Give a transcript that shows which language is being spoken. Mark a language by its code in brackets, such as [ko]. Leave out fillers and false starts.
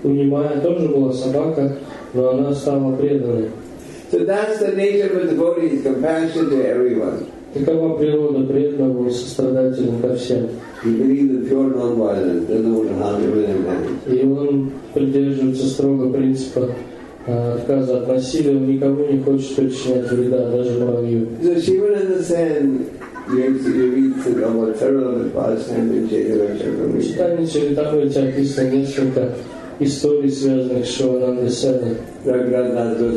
[ru] У Нимая тоже была собака, но она стала преданной. [en] So that's the nature of a devotee, is compassion to everyone. [ru] Такова природа преданного, сострадательного ко всем. [en] He believes in pure non-violence, doesn't want to harm everyone in life. [ru] И он придерживается строго принципа отказа от насилия, он никому не хочет причинять вреда, даже муравью. [en] So Shivananda Sen, you read about several of the past time in Jai Ravishankar. [ru] Читание Чаритамрита описано несколько историй, связанных с Шивананда Сеном.